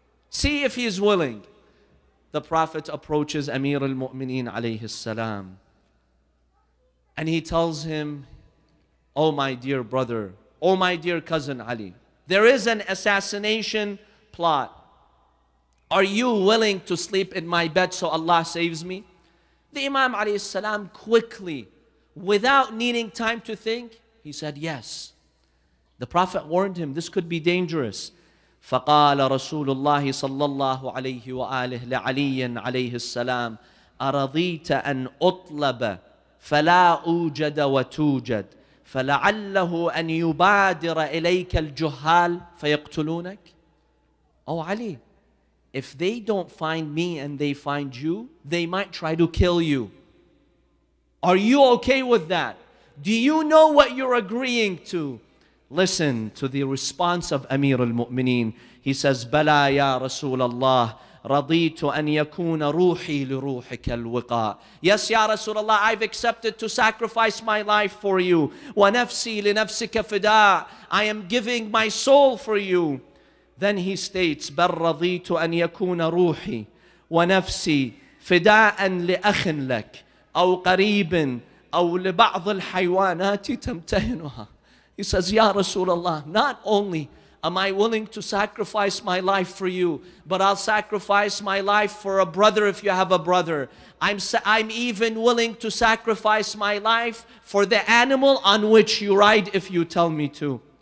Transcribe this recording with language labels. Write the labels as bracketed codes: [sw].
[en] See if he's willing. The Prophet approaches Amir al-Mu'mineen alayhi salam, and he tells him, oh my dear brother, oh my dear cousin Ali, there is an assassination plot. Are you willing to sleep in my bed so Allah saves me? The Imam alayhi salam quickly, without needing time to think, he said yes. The Prophet warned him, this could be dangerous. [ar] فقال رسول الله صلى الله عليه وآله لعلي عليه السلام أرضيت أن أطلب فلا أوجد وتوجد فلعله أن يبادر إليك الجهال فيقتلونك. [en] Oh Ali, if they don't find me and they find you, they might try to kill you. Are you okay with that? Do you know what you're agreeing to? Listen to the response of Amir al-Mu'mineen. He says, [ar] بَلَا يَا رَسُولَ اللَّهِ رَضِيتُ أَنْ يَكُونَ رُوحِي لِرُوحِكَ الْوِقَاءِ. [en] Yes, Ya Rasulallah, I've accepted to sacrifice my life for you. [ar] وَنَفْسِي لِنَفْسِكَ فِدَاءِ. [en] I am giving my soul for you. Then he states, [ar] بَلْ رَضِيتُ أَنْ يَكُونَ رُوحِي وَنَفْسِي فِدَاءً لِأَخٍ لَكْ أَوْ قَرِيبٍ أَوْ لِبَعْضِ الْحَيْوَانَاتِ تَمْتَهِنُهَا. [en] He says, Ya Rasulallah, not only am I willing to sacrifice my life for you, but I'll sacrifice my life for a brother if you have a brother. I'm even willing to sacrifice my life for the animal on which you ride if you tell me to.